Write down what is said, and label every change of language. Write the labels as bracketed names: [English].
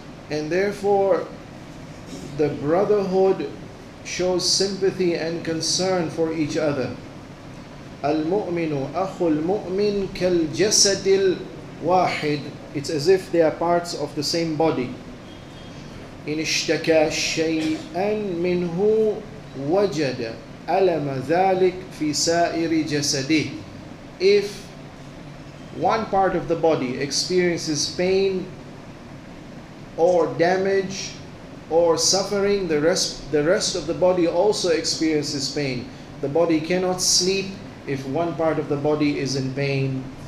[English] And therefore, the brotherhood shows sympathy and concern for each other. [Arabic] Al-mu'minu akhul mu'min kal jasadil واحد, [English] it's as if they are parts of the same body. [Arabic] إن اشتكى شيئا منه وجد ألم ذلك في سائر جسده. [English] If one part of the body experiences pain or damage or suffering, the rest of the body also experiences pain. The body cannot sleep if one part of the body is in pain.